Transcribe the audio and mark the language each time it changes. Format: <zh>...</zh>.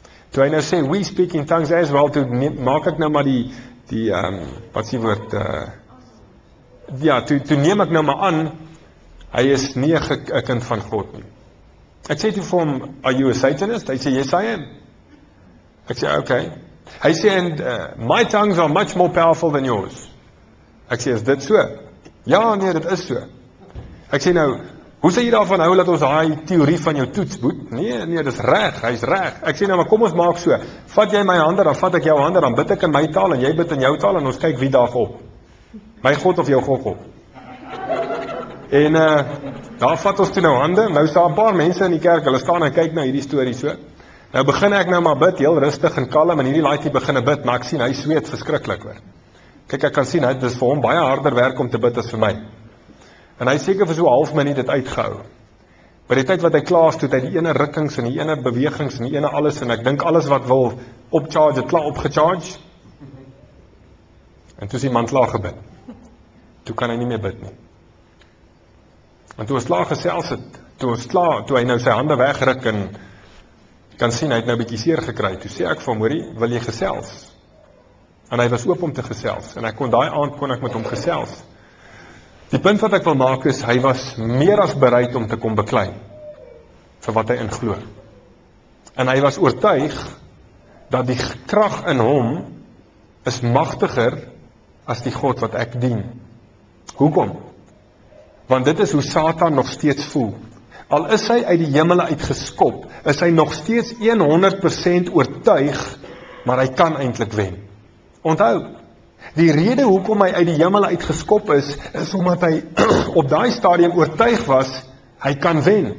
<af>Toe hy nou sê,</af> <en>"We speak in tongues as well,"</en> <af>toe maak ek nou maar toe neem ek nou maar aan, hy is nie 'n kind van God nie. Ek sê toe vir hom,</af> <en>"Are you a Satanist?"</en> <af>Hy sê,</af> <en>"Yes, I am."</en> <af>Ek sê, "Okay." Hy sê,</af> <en>"And my tongues are much more powerful than yours."</en> <af>Ek sê, "Is dit so?" "Ja, nee, dit is so." Ek sê nou, "Hoe sal jy daarvan hou dat ons daai teorie van jou toetsboek?" "Nee, nee, dis reg, hy's reg." Ek sê nou, "Maar kom ons maak so. Vat jy my hande, dan vat ek jou hande, dan bid ek in my taal en jy bid in jou taal en ons kyk wie daag op. My God of jou God op." En daar vat ons toe nou hande. Nou staan 'n paar mense in die kerk, hulle staan en kyk na hierdie storie so. Nou begin ek nou maar bid, heel rustig en kalm, en hierdie laaitjie begin bid, maar ek sien hy sweet verskriklik hoor. Kyk, ek kan sien, dit is vir hom baie harder werk om te bid as vir my. En hy seker vir so 'n half minuut dit uitgehou. By die tyd wat hy klaar is, toe het hy die ene rukkings en die ene bewegings en die ene alles, en ek dink alles wat wil opcharge, het klaar opgecharge. En toe is die man klaar gebid. Toe kan hy nie meer bid nie. En toe ons klaar gesels het, toe hy nou sy hande wegruk en kan sien, hy het nou 'n bietjie seer gekry. Toe sê ek vir hom, "Hoorie, wil jy gesels?" En hy was oop om te gesels. En ek kon daai aand kon ek met hom gesels. Die punt wat ek wil maak is, hy was meer as bereid om te kom beklei vir wat hy in glo. En hy was oortuig dat die krag in hom is magtiger as die God wat ek dien. Hoekom? Want dit is hoe Satan nog steeds voel. Al is hy uit die hemel uitgeskop, is hy nog steeds 100% oortuig, maar hy kan eintlik wen. Onthou, die rede hoekom hy uit die hemel uitgeskop is, is omdat hy op daai stadium oortuig was, hy kan wen.</af>